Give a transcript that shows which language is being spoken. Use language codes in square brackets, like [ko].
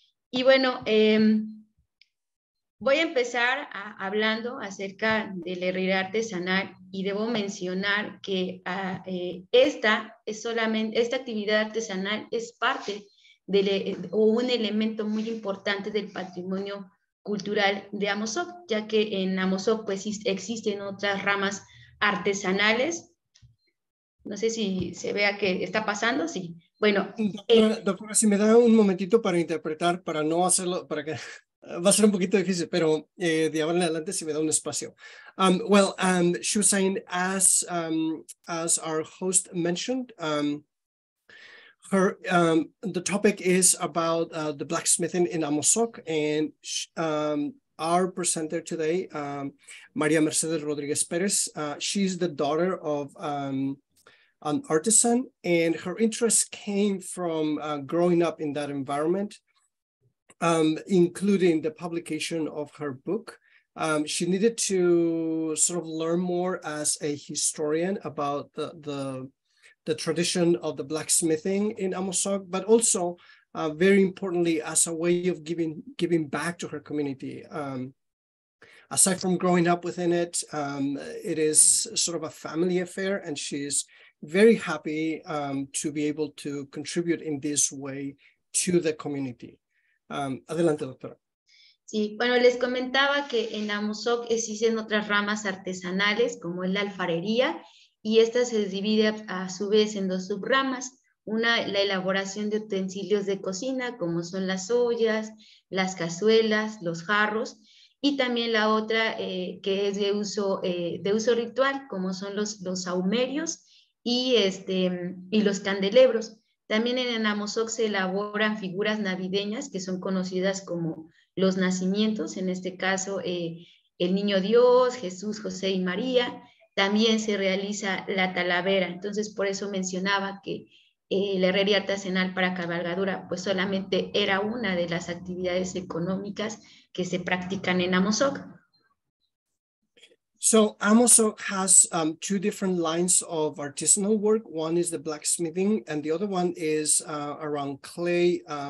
[es] Y bueno, voy a empezar hablando acerca de la herrería artesanal y debo mencionar que esta actividad artesanal es parte o un elemento muy importante del patrimonio cultural de Amozoc, ya que en Amozoc pues existen otras ramas artesanales. No sé si se vea que está pasando, sí. Bueno, doctora, si me da un momentito para interpretar, para no hacerlo, para que va a ser un poquito difícil, pero de ahora en adelante si me da un espacio. [en] She was saying, as our host mentioned, the topic is about the blacksmithing in Amozoc, and our presenter today, María Mercedes Rodríguez Pérez, she's the daughter of an artisan, and her interest came from growing up in that environment, including the publication of her book. She needed to sort of learn more as a historian about the tradition of the blacksmithing in Amozoc, but also very importantly, as a way of giving back to her community. Aside from growing up within it, it is sort of a family affair, and she's very happy to be able to contribute in this way to the community. [es] Adelante, doctora. Sí, bueno, les comentaba que en Amozoc existen otras ramas artesanales, como es la alfarería, y esta se divide a su vez en dos subramas. Una, la elaboración de utensilios de cocina, como son las ollas, las cazuelas, los jarros, y también la otra que es de uso ritual, como son los sahumerios y los candelabros. También en Amozoc se elaboran figuras navideñas que son conocidas como los nacimientos, en este caso el Niño Dios, Jesús, José y María. También se realiza la talavera. Entonces, por eso mencionaba que la herrería artesanal para cabalgadura pues solamente era una de las actividades económicas que se practican en Amozoc. [en] So Amozoc has two different lines of artisanal work. One is the blacksmithing, and the other one is around clay.